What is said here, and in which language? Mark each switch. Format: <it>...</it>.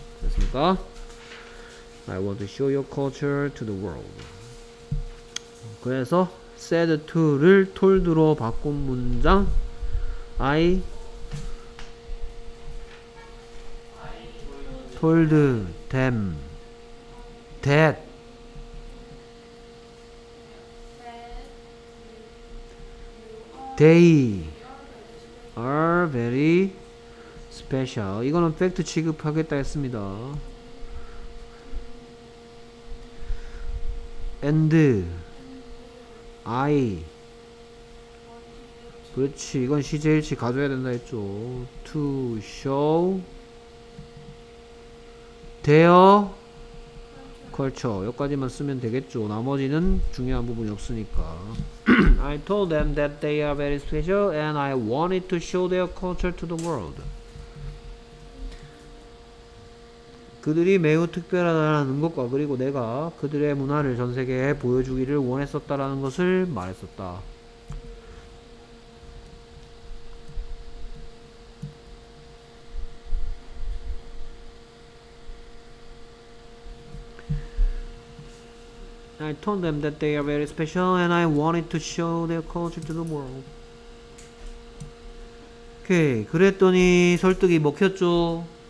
<ko>됐습니까?</ko> <en>I want to show your culture to the world.</en> <ko>그래서 said to를 told로 바꾼 문장</ko> <en>I told them that they are very special.</en> <ko>이거는 팩트 취급하겠다 했습니다.</ko> <en>And I</en> <ko>그렇지 이건 시제일치 가져야 된다 했죠.</ko> <en>To show their culture.</en> <ko>여기까지만 쓰면 되겠죠. 나머지는 중요한 부분이 없으니까.</ko> <en>I told them that they are very special and I wanted to show their culture to the world.</en> <ko>그들이 매우 특별하다는 것과 그리고 내가 그들의 문화를 전 세계에 보여주기를 원했었다라는 것을 말했었다.</ko> <en>I told them that they are very special and I wanted to show their culture to the world.</en> <ko>오케이. 그랬더니 설득이 먹혔죠.</ko>